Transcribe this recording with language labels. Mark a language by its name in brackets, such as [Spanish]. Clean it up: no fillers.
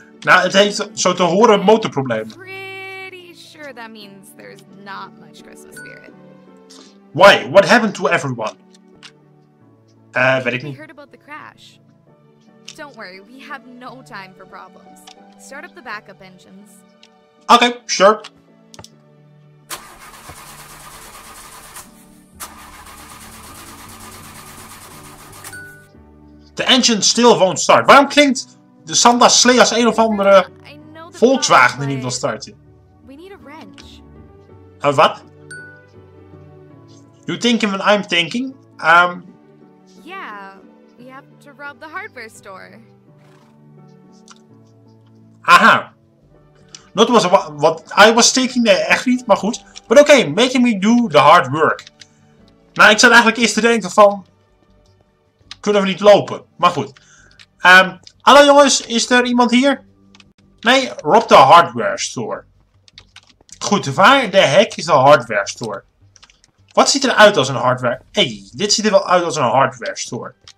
[Dutch] Nou, het heeft zo te horen een motorprobleem. [English] Pretty sure that means there's not much Christmas spirit. Why? What happened to everyone? [Dutch] Weet ik niet. [English] We heard about the crash. Don't worry, we have no time for problems. Start up the backup engines. Okay, sure. The engine still won't start. [Dutch] Waarom klinkt de Santa Slee als een of andere Volkswagen die niet wil starten? [English] We need a wrench. [Dutch] Wat? [English] You thinking what I'm thinking? Yeah, we have to rob the hardware store. Aha. Not what I was thinking, [Dutch] nee, echt niet, maar goed. [English] But okay, making me do the hard work. [Dutch] Nou, ik zat eigenlijk eerst te denken van... Kunnen we niet lopen? Maar goed. Hallo jongens, is er iemand hier? Nee, [English] rob the hardware store. [Dutch] Goed, waar de heck is de hardware store? Wat ziet er uit als een hardware... Hey, dit ziet er wel uit als een hardware store.